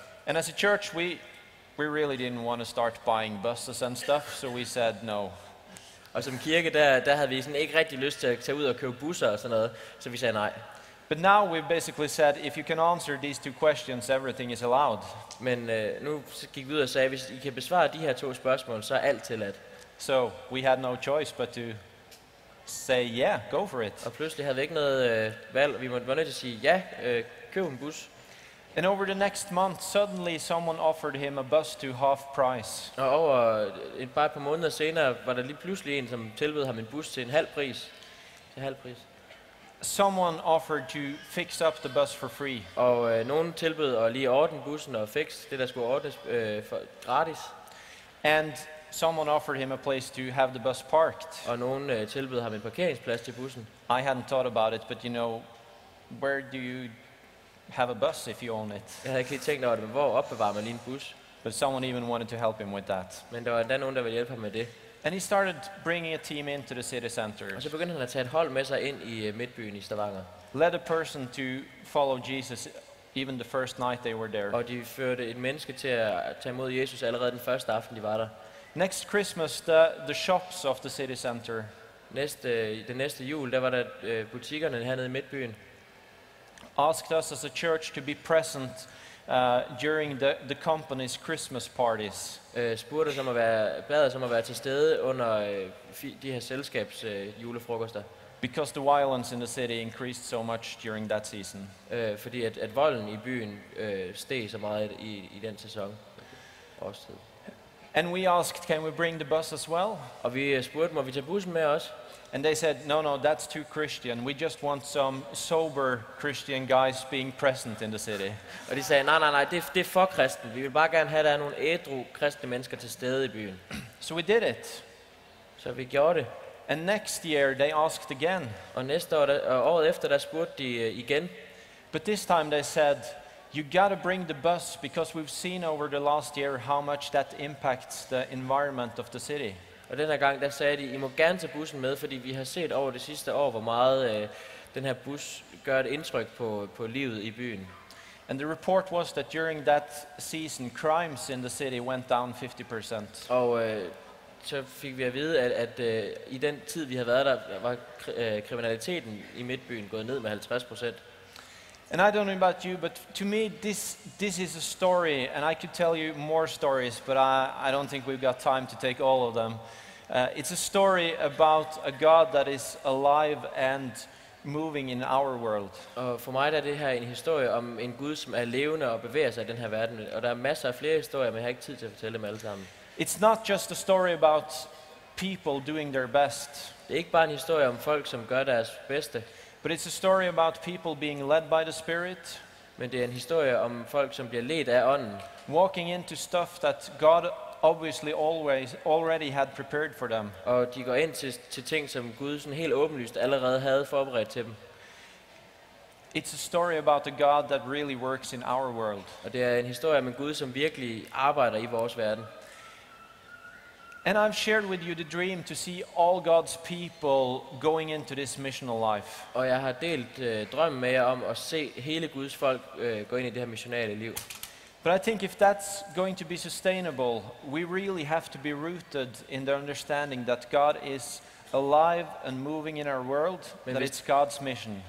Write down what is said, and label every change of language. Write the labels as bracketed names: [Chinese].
[English] And as a church we really didn't want to start buying buses and stuff, so we said no. [Danish] Og som kirke der havde vi sådan ikke rigtig lyst til at tage ud og købe busser og sådan noget, så vi sagde nej. [English] But now we've basically said if you can answer these two questions everything is allowed. [Danish] Men nu gik vi ud og sagde hvis I kan besvare de her to spørgsmål så er alt tilladt. [English] So we had no choice but to say yeah, go for it. [Danish] Og pludselig havde vi ikke noget valg, vi måtte bare nødt til at sige ja, køb en bus. [English] And over the next month, suddenly someone offered him a bus to half price. [Danish] Og over et par måneder senere var der lige pludselig en, som tilbød ham en bus til en halv pris. Til halv pris. [English] Someone offered to fix up the bus for free. [Danish] Og nogen tilbød at lige ordne bussen og fikse det, der skulle ordnes for gratis. [English] And someone offered him a place to have the bus parked. [Danish] Og nogen tilbød ham en parkeringsplads til bussen. [English] I hadn't thought about it, but you know, where do you have a bus if you own it? [Danish] Jeg havde ikke lige tænkt over det, men hvor opbevarer man lige en bus? [English] But someone even wanted to help him with that. [Danish] Men der var endda nogen, der ville hjælpe ham med det. [English] And he started bringing a team into the city center. [Danish] Og så begyndte han at tage et hold med sig ind i midtbyen i Stavanger. [English] Led a person to follow Jesus even the first night they were there. [Danish] Og de førte et menneske til at tage imod Jesus allerede den første aften de var der. [English] Next Christmas the shops of the city center. [Danish] Næste jul, der var der butikkerne hernede i midtbyen. [English] Asked us as a church to be present during the company's Christmas parties. [Danish] Spurgte os om at være til stede under de her selskabs julefrokoster. [English] Because the violence in the city increased so much during that season. [Danish] Fordi at volden i byen steg så meget i den sæson. Årstid. [English] And we asked, can we bring the bus as well? [Danish] Og vi spurgte, må vi tage bussen med os? [English] And they said, no, that's too Christian. We just want some sober Christian guys being present in the city. [Danish] Og de sagde, nej, det er for kristen. Vi vil bare gerne have, at der er nogle ædru kristne mennesker til stede i byen. [English] So we did it. [Danish] Så vi gjorde det. [English] And next year they asked again. [Danish] Og næste år, året efter, der spurgte de igen. [English] But this time they said, you got to bring the bus because we've seen over the last year how much that impacts the environment of the city. [Danish] Og den her gang der sagde de, I må gerne tage bussen med, fordi vi har set over det sidste år hvor meget den her bus gør et indtryk på livet i byen. [English] And the report was that during that season crimes in the city went down 50%. [Danish] Og så fik vi at vide at i den tid vi har været der var kriminaliteten i midtbyen gået ned med 50%. [English] And I don't know about you, but to me this is a story, and I could tell you more stories, but I don't think we've got time to take all of them. It's a story about a God that is alive and moving in our world. [Danish] For mig er det her en historie om en Gud, som er levende og bevæger sig i den her verden, og der er masser af flere historier, men jeg har ikke tid til at fortælle dem alle sammen. [English] It's not just a story about people doing their best. [Danish] Det er ikke bare en historie om folk, som gør deres bedste. [English] But it's a story about people being led by the Spirit. [Danish] Men det er en historie om folk, som bliver ledt af ånden. [English] Walking into stuff that God obviously always already had prepared for them. [Danish] Og de går ind til ting, som Gud sådan helt åbenlyst allerede havde forberedt til dem. [English] It's a story about a God that really works in our world. [Danish] Og det er en historie om en Gud, som virkelig arbejder i vores verden. [English] And I've shared with you the dream to see all God's people going into this missional life. [Danish] Og jeg har delt drømmen med jer om at se hele Guds folk gå ind i det her missionale liv. [English] But I think if that's going to be sustainable, we really have to be rooted in the understanding that God is alive and moving in our world, that it's God's mission.